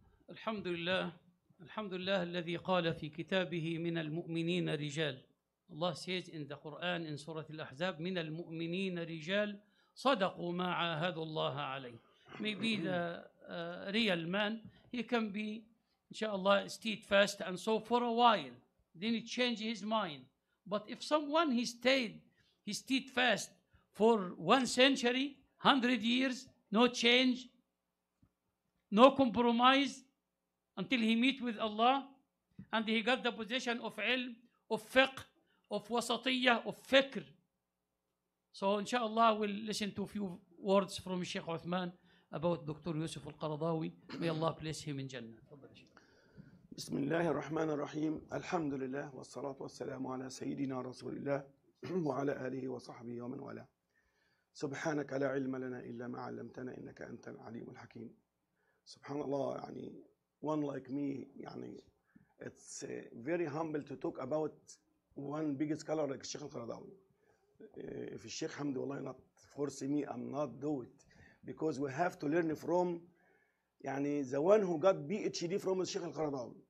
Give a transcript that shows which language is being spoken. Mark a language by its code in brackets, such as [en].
[ar] الحمد لله، الذي قال في كتابه من المؤمنين رجال. [en] الله says in the Quran in Surah Al-Ahzab [ar] من المؤمنين رجال صدقوا ما عاهدوا الله عليه. [en] Maybe the real man, he can be, inshallah, steadfast and so for a while. Then he changed his mind. But if someone he stayed, he steadfast for one century, 100 years, no change, no compromise, until he meet with Allah, and he got the position of ilm, of fiqh, of wasatiyah, of fikr. So inshallah, we'll listen to a few words from Sheikh Uthman about Dr. Yusuf al-Qaradawi. May Allah bless him in Jannah. [ar] بسم الله الرحمن الرحيم. الحمد لله والصلاة والسلام على سيدنا رسول الله وعلى آله وصحبه ومن والاه. سبحانك لا علم لنا إلا ما علمتنا إنك أنت العليم الحكيم. سبحان الله. [en] يعني one like me, يعني it's very humble to talk about one biggest scholar like الشيخ القرضاوي. If الشيخ حمدي والله not force me, I'm not do it, because we have to learn from يعني the one who got PhD from الشيخ القرضاوي.